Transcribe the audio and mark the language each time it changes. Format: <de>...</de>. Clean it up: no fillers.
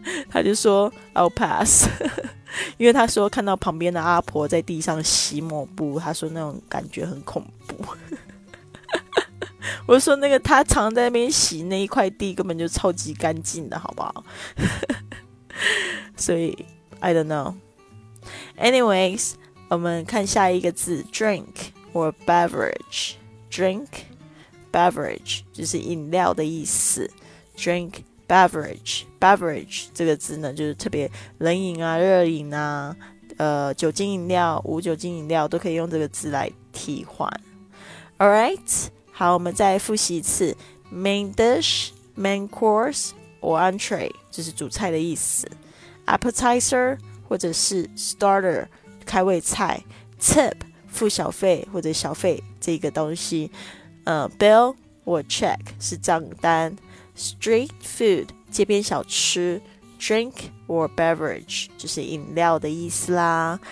<zh>他就说</zh> <en>I'll pass，</en> <zh>因为他说看到旁边的阿婆在地上洗抹布，他说那种感觉很恐怖。我说那个他常在那边洗那一块地根本就超级干净的，好不好？所以。</zh> <en>I don't know.</en> <zh>Anyways, 我们看下一个字 drink or beverage. Drink, beverage, 就是饮料的意思。</zh> <en>Drink, beverage.</en> <zh>Beverage 这个字呢，就是特别冷饮啊、热饮啊、酒精饮料、无酒精饮料都可以用这个字来替换。 Alright, 好，我们再复习一次。</zh> <en>Main dish, main course, or entree, 就是主菜的意思。</en> <zh>Appetizer 或者是 starter 开胃菜 ，tip 付小费或者小费这个东西，bill or check 是账单 ，street food 街边小吃 ，drink or beverage 就是饮料的意思啦。</zh>